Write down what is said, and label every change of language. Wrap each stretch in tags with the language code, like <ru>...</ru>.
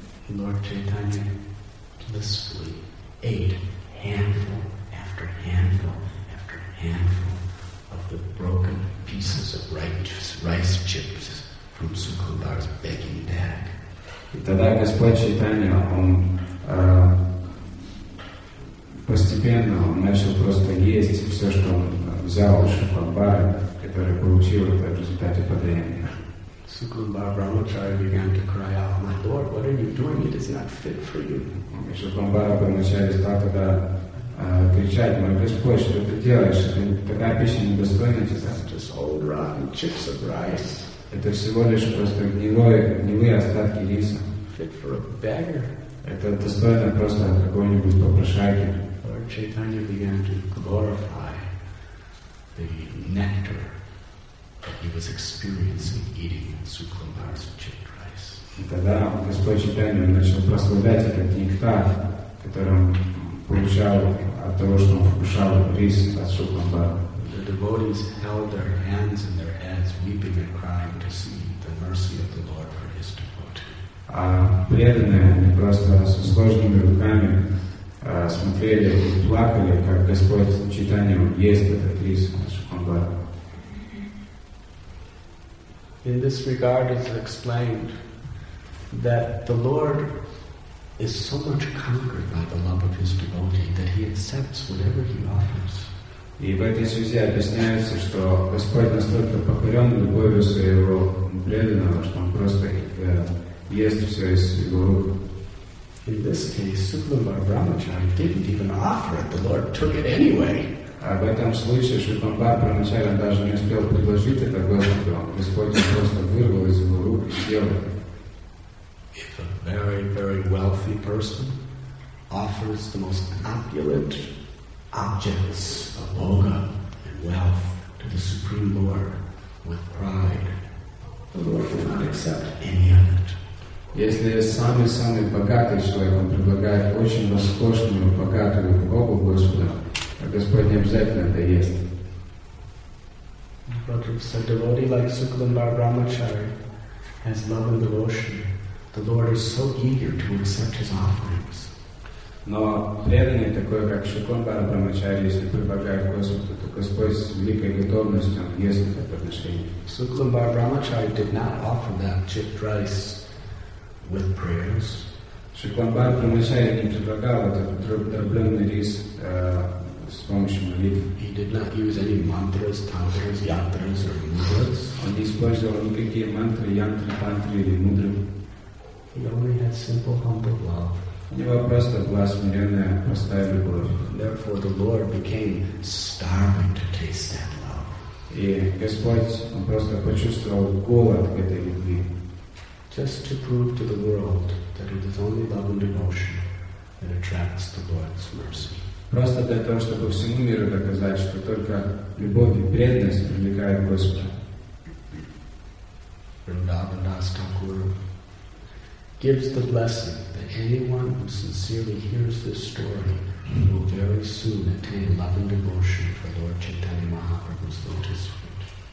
<en>Lord Chaitanya blissfully ate handful after handful after handful of the broken pieces of rice chips from Sukumbar's begging bag.</en> <ru>И тогда Господь Чайтанья, он постепенно он начал просто есть все, что он взял у Шукамбара, который получил это в результате подаяния.</ru> <en>Suklambar Brahmachari began to cry out, "My Lord, what are you doing? It is not fit for you."</en> <ru>Suklambar Brahmachari</ru> <en>started</en> <ru>кричать,</ru> <en>"My</en> <ru>Господь, что ты делаешь? Ты такая пища недостойна тебя."</ru> <en>Just old rotten chips of rice.</en> <ru>Это всего лишь просто гнилые остатки риса.</ru> <en>Fit for a beggar.</en> <ru>Это достойно просто какой-нибудь попрошайки.</ru> <en>Lord Chaitanya began to glorify the nectar that he was experiencing eating Suklambar's chip rice.</en> <ru>И тогда Господь Чайтанья начал прославлять этот нектар, который он получал от того, что он вкушал рис от Суклмбара.</ru> <en>The devotees held their hands in their heads, weeping and crying to see the mercy of the Lord for his devotee.</en> <ru>А преданные, они просто со сложными руками смотрели и плакали, как Господь Чайтанья ест этот рис от Суклмбара.</ru> <en>In this regard, it's explained that the Lord is so much conquered by the love of his devotee that he accepts whatever he offers.</en> <ru>И в этой связи объясняется, что Господь настолько покорен любовью своего преданного, что он просто ест все из его рук.</ru> <en>In this case, Suklambar Brahmachari didn't even offer it. The Lord took it anyway.</en> <ru>А в этом случае Шукамбар Брамачари даже не успел предложить это Господу. Господь просто вырвал из его рук и съел это.</ru> <en>If a very, very wealthy person offers the most opulent objects of boga and wealth to the Supreme Lord with pride, the Lord will not accept any of it.</en> <ru>Если самый-самый богатый человек, он предлагает очень роскошную, богатую богу Господа, а Господь не обязательно это есть.</ru> <en>But if a devotee like Suklambar Brahmachari has love and devotion, the Lord is so eager to accept his offerings.</en> <ru>Но преданный такой, как Шикомбара Брамачари, если прибавляет Господу, то Господь с великой готовностью ест это подношение. Шикомбара Брамачари did not offer that chipped rice with prayers. Шикомбара Брамачари не предлагал этот дробленный рис с помощью молитвы.</ru> <en>He did not use any mantras, tantras, yantras or mudras.</en> <ru>Он не использовал никакие мантры, янтры, тантры или мудры.</ru> <en>He only had simple, humble love.</en> <ru>У него просто была смиренная, простая любовь.</ru> <en>Therefore, the Lord became starving to taste that love.</en> <ru>И Господь, Он просто почувствовал голод к этой любви.</ru> <en>Just to prove to the world that it is only love and devotion that attracts the Lord's mercy.</en> <ru>Просто для того, чтобы всему миру доказать, что только любовь и преданность привлекают Господа.</ru> <en>Vrindavan Das Thakur gives the blessing that anyone who sincerely hears this story will very soon attain love and devotion for Lord Chaitanya Mahaprabhu's lotus feet.</en>